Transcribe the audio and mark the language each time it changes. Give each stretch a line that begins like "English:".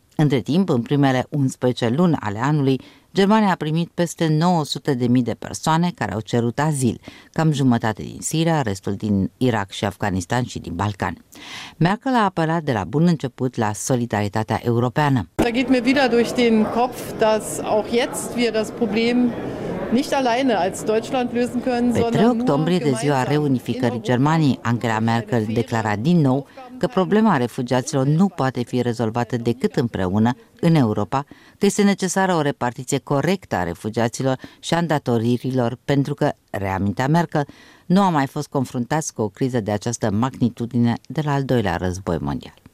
Romanian: Între timp, în primele 11 luni ale anului, Germania a primit peste 900.000 de persoane care au cerut azil, cam jumătate din Siria, restul din Irak și Afganistan și din Balcan. Merkel a apelat de la bun început la solidaritatea europeană.
German: Da geht mir wieder durch den Kopf, dass auch jetzt wir das Problem nicht alleine als Deutschland lösen können, sondern
Romanian: 3 octombrie, de ziua reunificării Germaniei, Angela Merkel declara din nou că problema refugiaților nu poate fi rezolvată decât împreună în Europa, că este necesară o repartiție corectă a refugiaților și a îndatoririlor, pentru că, reamintea Merkel, nu a mai fost confruntați cu o criză de această magnitudine de la al doilea război mondial.